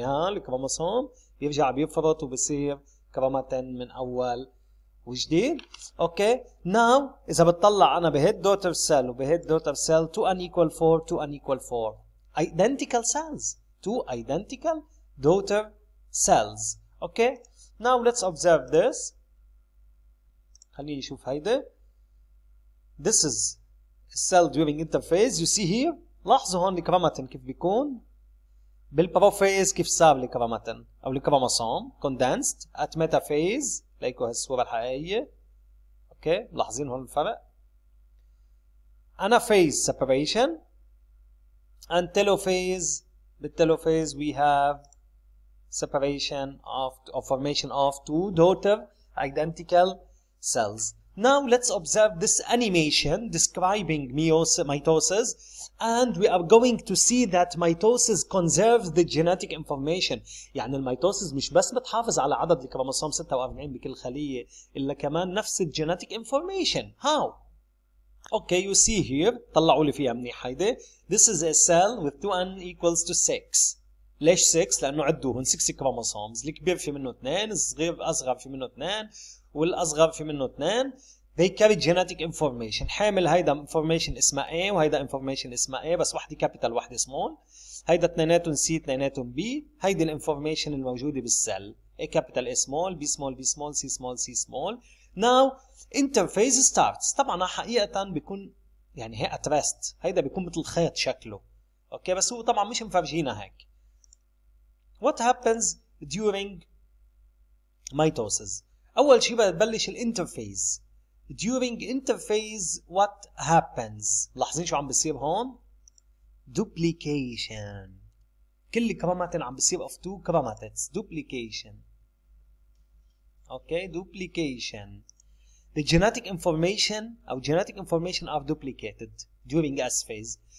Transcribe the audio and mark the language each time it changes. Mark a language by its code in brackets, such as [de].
[ar] يعني ها الكروموسوم بيرجع بيفرط وبصير كروماتين من أول وجديد. [en] okay now [ar] إذا بتطلع أنا بهيد [en] daughter cell [ar] وبهيد [en] Daughter cell 2 unequal 4 2 unequal 4 identical cells 2 identical daughter cells. Okay now let's observe this. [ar] خليني أشوف هيدا. [en] This is cell during interphase. You see here, [ar] لاحظوا هون الكروماتين كيف بيكون بالبروفيز كيف صار الكروماتين أو الكروموسوم [en] condensed at metaphase. [ar] ليكو هالصورة الحقيقية. أوكي لاحظين هون الفرق. [en] Anaphase separation and telophase. بالتلوفيز we have separation of or formation of two daughter identical cells. Now let's observe this animation describing mitosis, and we are going to see that mitosis conserves the genetic information. [ar] يعني الميتوسيس مش بس بتحافظ على عدد الكروموسوم 46 بكل خلية إلا كمان نفس الـ genetic information. [en] How? Okay, you see here. [ar] طلعوا لي فيها منيح هيدا. [en] This is a cell with 2n equals to 6. [ar] ليش 6؟ لأنه عدوهن 6 كروموسومز. الكبير في منه 2، الصغير أصغر في منه 2. والأصغر في منه 2. [en] They carry genetic information. [ar] حامل هيدا information اسمه A وهيدا information اسمه A، بس واحدة capital واحدة small. هيدا اتنيناتهم C اتنيناتهم B. هيدا information الموجودة بالسل A capital A small B small B small C small C small. [en] Now interphase starts. [ar] طبعا حقيقة بيكون يعني هي [en] at rest. [ar] هيدا بيكون مثل خيط شكله. أوكي بس هو طبعا مش مفرجينا هيك. What happens during mitosis؟ أول شيء بتبلش الانترفيز. [en] During interphase what happens؟ [ar] لاحظين شو عم بصير هون؟ [en] Duplication. [ar] كل الكروماتين عم بصير [en] of two chromatids. Duplication. Okay, duplication. The genetic information أو genetic information are duplicated during S phase.